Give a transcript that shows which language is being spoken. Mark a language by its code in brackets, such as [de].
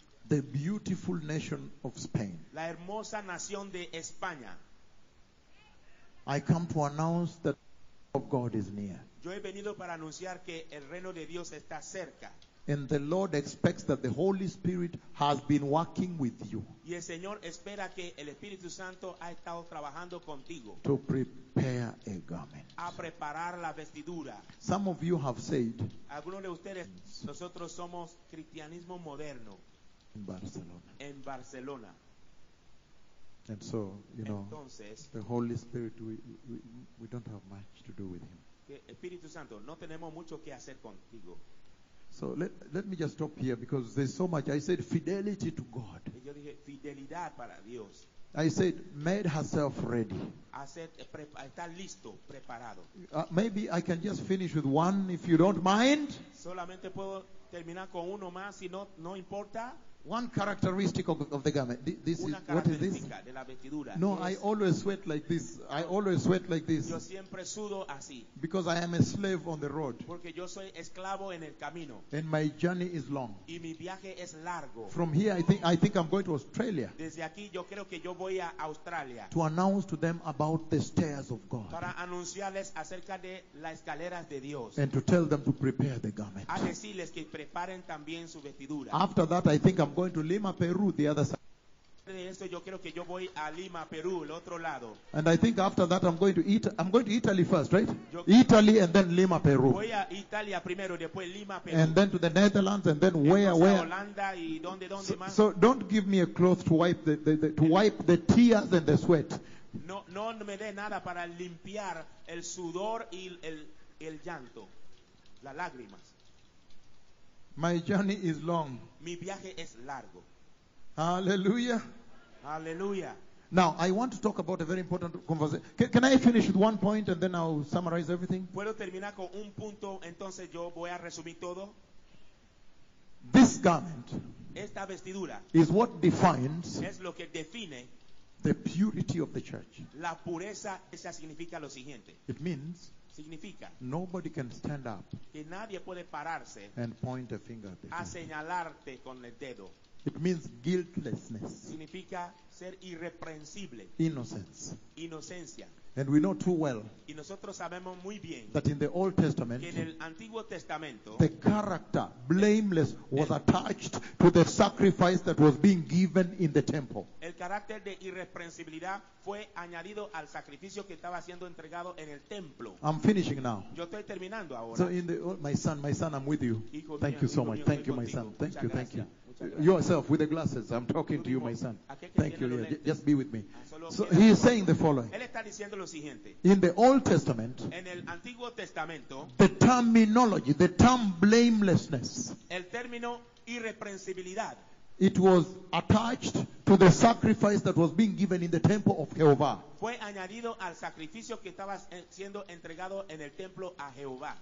[en] The beautiful nation of Spain. [es] La hermosa nación de España. [en] I come to announce that the kingdom of God is near. [es] Yo he venido para anunciar que el reino de Dios está cerca. [en] And the Lord expects that the Holy Spirit has been working with you. [es] Y el Señor espera que el Espíritu Santo ha estado trabajando contigo. [en] To prepare a garment. [es] A preparar la vestidura. [en] Some of you have said. [es] Algunos de ustedes, nosotros somos cristianismo moderno. [en] In Barcelona. [es] En Barcelona. [en] And so, you know, [es] entonces, [en] the Holy Spirit, we don't have much to do with him. [es] Espíritu Santo, no tenemos mucho que hacer contigo. [en] So let me just stop here because there's so much. I said fidelity to God. [es] Yo dije, fidelidad para Dios. [en] I said made herself ready. [es] Está listo, preparado. [en] Maybe I can just finish with one if you don't mind. [es] Solamente puedo terminar con uno más si no importa. [en] One characteristic of the garment. This [es] una [en] is what is this? [es] De la vestidura. [en] No, es, I always sweat like this. I always sweat like this. [es] Yo siempre sudo así. [en] Because I am a slave on the road. [es] Porque yo soy esclavo en el camino. [en] And my journey is long. [es] Y mi viaje es largo. [en] From here, I think I'm going to Australia. [es] Desde aquí, yo creo que yo voy a Australia. [en] To announce to them about the stairs of God. [es] Para anunciarles acerca de las escaleras de Dios. [en] And to tell them to prepare the garment. [es] A decirles que preparen también su vestidura. [en] After that, I think I'm going to Lima, Peru, the other side. [es] Yo creo que yo voy a Lima, Perú, el otro lado. [en] And I think after that I'm going to Italy first, right? Italy and then Lima, Peru. [es] Voy a Italia primero, después Lima, Perú. [en] And then to the Netherlands and then where? [es] Holanda, y donde más? [en] So don't give me a cloth to wipe the tears and the sweat. [es] No me dé nada para limpiar el sudor y el llanto, las lágrimas. [en] My journey is long. [es] Mi viaje es largo. [en] Hallelujah. Hallelujah. Now, I want to talk about a very important conversation. Can I finish with one point and then I'll summarize everything? [es] ¿Puedo terminar con un punto, entonces yo voy a resumir todo? [en] This garment, [es] esta vestidura, [en] is what defines, [es] es lo que define, [en] the purity of the church. [es] La pureza, esa significa lo siguiente. [en] It means, [es] significa, [en] nobody can stand up, [es] que nadie puede pararse, [en] and point a finger at the [es] a señalarte con el dedo. [en] It means guiltlessness. [es] Significa ser irreprensible. [en] Innocence. [es] Inocencia. [en] And we know too well, [es] y nosotros sabemos muy bien, [en] that in the Old Testament, [es] que en el Antiguo Testamento, [en] the character, blameless, was attached to the sacrifice that was being given in the temple. [es] El carácter de irreprensibilidad fue añadido al sacrificio que estaba siendo entregado en el templo. [en] I'm finishing now. [es] Yo estoy terminando ahora. [en] So in the, oh, my son, I'm with you. [es] Hijo [en] thank [es] mío, [en] you so [es] hijo [en] much. [es] Mío, [en] thank you, [es] contigo. [en] My son. Thank [es] Muchas [en] you, [es] gracias. [en] Thank you. Yourself with the glasses. I'm talking to you, my son. Thank you. Yeah. Just be with me. So he is saying the following. [es] Él está diciendo lo siguiente. [en] In the Old Testament, [es] en el Antiguo Testamento, [en] the terminology, the term blamelessness, [es] el término irreprensibilidad, [en] it was attached to the sacrifice that was being given in the temple of Jehovah. [es] Fue añadido al sacrificio que estaba siendo entregado en el templo a Jehová.